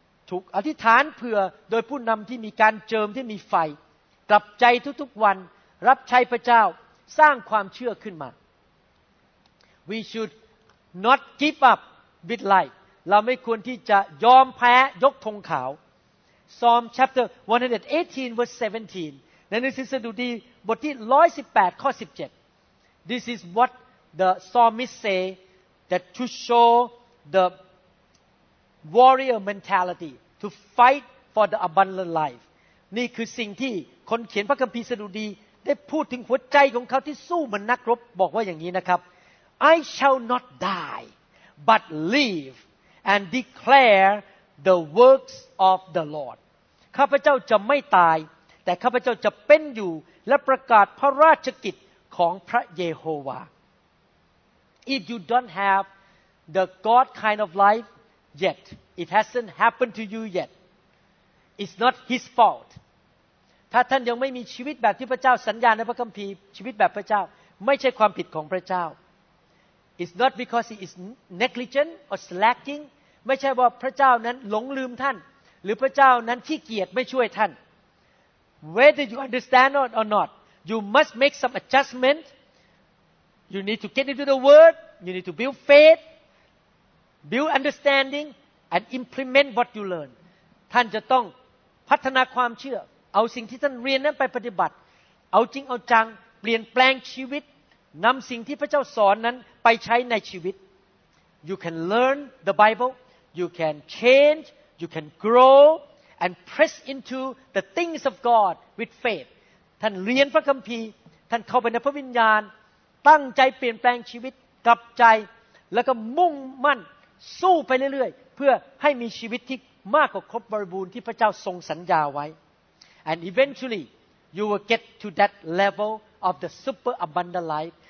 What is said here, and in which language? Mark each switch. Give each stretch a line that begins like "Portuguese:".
Thai: ถูกอธิษฐานเผื่อโดยผู้นำที่มีการเจิมที่มีไฟกลับใจทุกๆวันรับใช้พระเจ้าสร้างความเชื่อขึ้นมา
English: We should not give up with life.
Thai: เราไม่ควรที่จะยอมแพ้ยกธงขาว
English: Psalm chapter 118 verse 17.
Thai: ในหนังสือสดุดีบทที่118ข้อ17.
English: This is what the psalmist say that to show the warrior mentality to fight for the abundant life.
Thai: นี่คือสิ่งที่คนเขียนพระคัมภีร์สดุดีได้พูดถึงหัวใจของเขาที่สู้เหมือนนักรบบอกว่าอย่างนี้นะครับ
English: I shall not die but live and declareThe works of the Lord.
Thai: ข้าพเจ้าจะไม่ตายแต่ข้าพเจ้าจะเป็นอยู่และประกาศพระราชกิจของพระเยโฮวา
English: If you don't have the God kind of life yet, it hasn't happened to you yet. It's not His fault.
Thai: ถ้าท่านยังไม่มีชีวิตแบบที่พระเจ้าสัญญาในพระคัมภีร์ชีวิตแบบพระเจ้าไม่ใช่ความผิดของพระเจ้า
English: It's not because He is negligent or slacking
Thai: ไม่ใช่ว่าพระเจ้านั้นหลงลืมท่านหรือพระเจ้านั้นขี้เกียจไม่ช่วยท่าน
English: Whether you understand or not, you must make some adjustment. You need to get into the Word. You need to build faith, build understanding, and implement what you learn.
Thai: ท่านจะต้องพัฒนาความเชื่อเอาสิ่งที่ท่านเรียนนั้นไปปฏิบัติเอาจริงเอาจังเปลี่ยนแปลงชีวิตนำสิ่งที่พระเจ้าสอนนั้นไปใช้ในชีวิต
English: You can learn the Bible. You can change, you can grow, and press into the things of God with faith.
Thai: ท่านเรียนพระคัมภีร์ท่านเข้าไปในพระวิญญาณตั้งใจเปลี่ยนแปลงชีวิตกลับใจแล้วก็มุ่งมั่นสู้ไปเรื่อยๆเพื่อให้มีชีวิตที่มากกว่าครบบริบูรณ์ที่พระเจ้าทรงสัญญาไว้
English: And eventually, you will get to that level of the super abundant life.